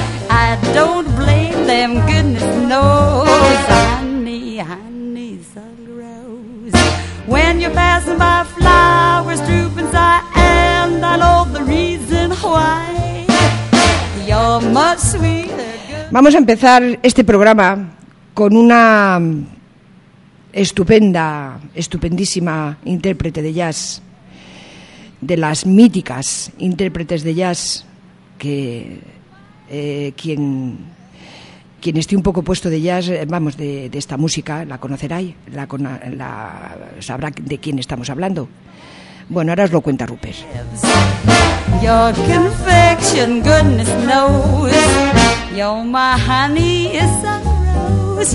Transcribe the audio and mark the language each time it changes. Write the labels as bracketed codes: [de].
[en] I don't blame them, goodness knows. Honey, honey, sugar rose. When you're passing by, flowers droop and sigh, and I know the reason why. You're much sweeter. [es] Vamos a empezar este programa con una estupenda, estupendísima intérprete de jazz, de las míticas intérpretes de jazz, que quien esté un poco puesto de jazz, vamos, de esta música, la conocerá y la sabrá de quién estamos hablando. Bueno, ahora os lo cuenta Rupert. [en] Your confection, goodness knows. You're my honey, it's a rose.